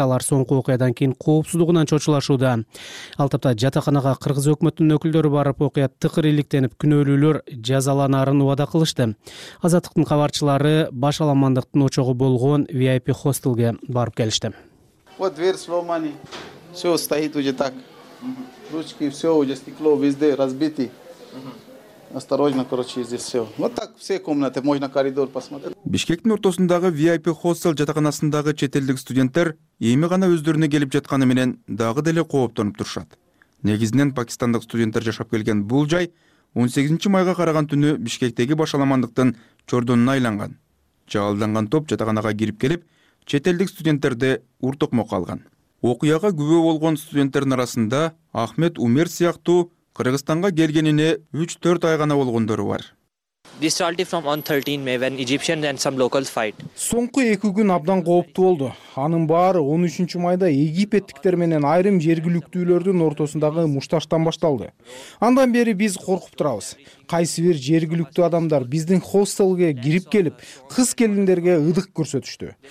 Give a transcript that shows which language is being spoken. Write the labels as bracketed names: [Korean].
[Kyrgyz] Алар соңку окуядан кийин коопсуздугунан чочулашууда. Ал тапта жатаканага кыргыз өкмөтүнүн өкүлдөрү барып, окуя тыкыр иликтенип, күнөөлүүлөр жазаланарын убада кылышты. Азаттыктын кабарчылары баш аламандыктын очогу болгон VIP хостелге барып келишти. [Russian] Вот дверь сломана. Все стоит уже так. Ручки, все уже стекло везде разбиты. Осторожно, короче, здесь все. Вот так все комнаты, можно коридор посмотреть. [Kyrgyz] Бишкектин ортосундагы VIP хостел жатаканасындагы чет элдик студенттер эми гана өздөрүнө келип жатканы менен дагы деле кооптонуп турушат. Негизинен пакистандык студенттер жашап келген бул жай 18 майга караган түнү Бишкектеги баш аламандыктын чордонуна айланган. Жаалданган топ жатаканага кирип келип, чет элдик студенттерди уртокмок алган. Окуяга күбө болгон студенттердин арасында Ахмет Умер сыяктуу Кыргызстанга келгенине 3-4 ай гана болгондору бар. [English] This started from on 13 May when Egyptians and some locals fight. [Kyrgyz] Соңку 2 күн абдан кооптуу болду. Анын баары 13 майда египеттиктер менен айрым жергиликтүүлөрдүн ортосундагы мушташтан башталды. Андан бери биз коркуп турабыз. Кайсы бир жергиликтүү адамдар биздин хостелге кирип келип, кыз келиндерге ыдык көрсөтүштү.